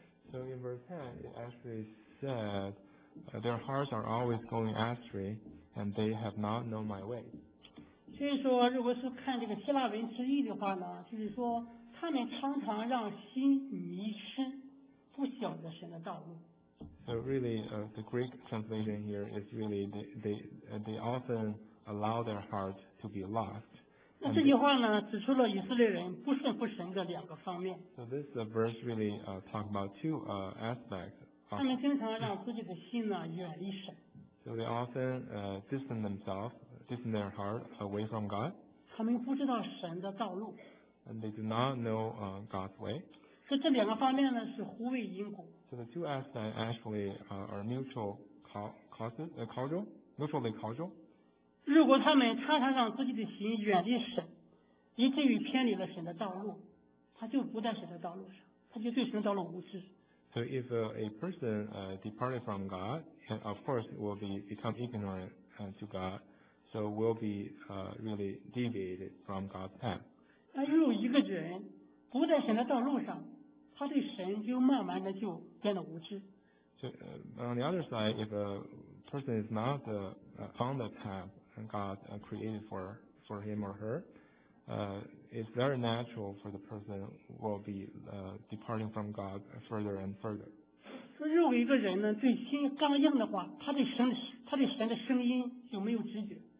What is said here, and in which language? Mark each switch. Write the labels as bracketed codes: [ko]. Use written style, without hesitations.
[en] So in verse 10, it actually said, their hearts are always going astray, and they have not known my way. [zh] 所以说，如果是看这个希腊文直译的话呢，就是说他们常常让心迷失，不晓得神的道路。 [en] So really, the Greek translation here is really they often allow their hearts to be lost. [zh] 这句话呢，指出了以色列人不顺服神的两个方面。 [en] So this verse really talk about two aspects. [zh] 他们经常让自己的心呢远离神。 [en] So they often distance themselves, distance their heart away from God. [zh] 他们不知道神的道路。 [en] and they do not know God's way. [zh] 所以这两个方面呢是互为因果。 [en] So the two aspects actually are mutually causal. [zh] 如果他们常常让自己的心远离神，以至于偏离了神的道路，他就不在神的道路上，他就对神的道路无知。 [en] So if a person departed from God, and of course will become ignorant to God, so will be really deviated from God's path. [zh] 那如果一个人不在神的道路上，他对神就慢慢的就变得无知。 [en] So on the other side, if a person is not on the path God created for him or her, it's very natural for the person will be departing from God further and further. [zh] 说如果一个人呢对心刚硬的话，他对神的声音就没有知觉。